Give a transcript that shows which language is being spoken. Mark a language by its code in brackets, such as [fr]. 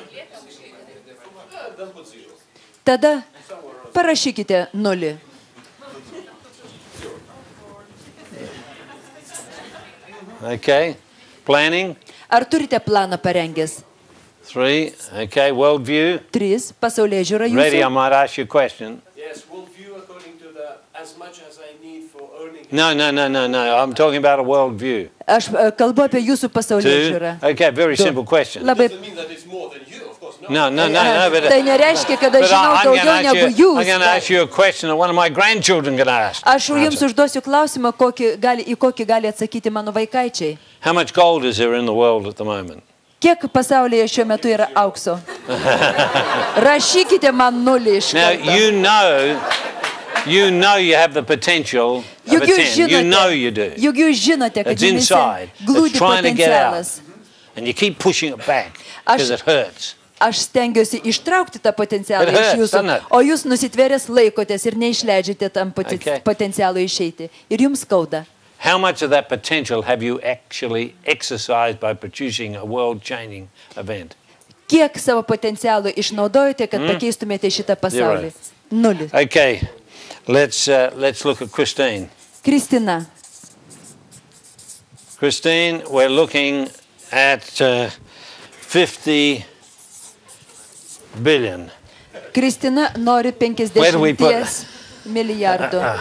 [lt] Hmm? Tada parašykite nulį. [en] Okay. Planning? [lt] Ar turite planą parengęs? [en] 3, okay, world view. [lt] 3, pasaulėžiūra jūsų. [en] Ready, I might ask you a question. Yes, world view according to the, as much as I need for earning. No, I'm talking about a world view. [lt] Aš kalbu apie jūsų pasaulėžiūrą. [en] Okay, very simple question. [lt] Labai. [en] It doesn't mean that it's more than you, of course, no. No, but. [lt] Tai nereiškia, kad aš žinau daugiau negu jūs. [en] I'm going to ask you a question that one of my grandchildren can ask. [lt] Aš jums užduosiu klausimą, į kokį gali atsakyti mano vaikaičiai. [en] How much gold is there in the world at the moment? [lt] Kiek pasaulyje šiuo metu yra aukso? Rašykite man nulį iš karto. [en] Now, you know, You know you have the potential of a 10. You know you do. [lt] Juk jūs žinote, kad [en] it's inside. It's trying to get out. And you keep pushing it back because it hurts. [lt] Aš stengiuosi ištraukti tą potencialą iš jūsų, o jūs nusitvėręs laikotės ir neišleidžiate tam potencialui išeiti. Ir jums skauda. [en] How much of that potential have you actually exercised by producing a world-changing event? [lt] Kiek savo potencialo išnaudojote, kad pakeistumėte šitą pasaulį? Nulis. [en] Okay, let's look at Christine. [lt] Kristina. [en] Christine, we're looking at 50 billion. [lt] Kristina nori 50 milijardų.